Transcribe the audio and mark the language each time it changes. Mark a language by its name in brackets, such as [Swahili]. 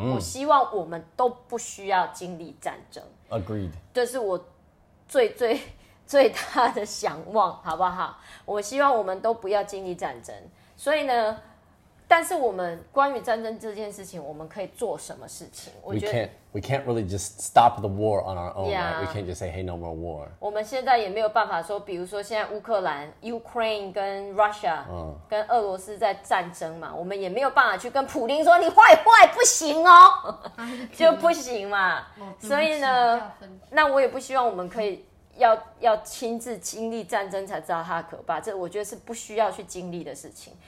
[Chinese] 我希望我们都不需要经历战争。 [English] Agreed， [Chinese] 这是我最最最大的想望，好不好？我希望我们都不要经历战争。所以呢，但是我们关于战争这件事情，我们可以做什么事情？我觉得 [English] we can't really just stop the war on our own. Yeah,、right? We can't just say hey, no more war. [Chinese] 我们现在也没有办法说，比如说现在乌克兰 Ukraine 跟 Russia、oh. 跟俄罗斯在战争嘛，我们也没有办法去跟普丁说你坏坏不行哦，就不行嘛。所以呢，那我也不希望我们可以要亲自经历战争才知道它可怕，这我觉得是不需要去经历的事情。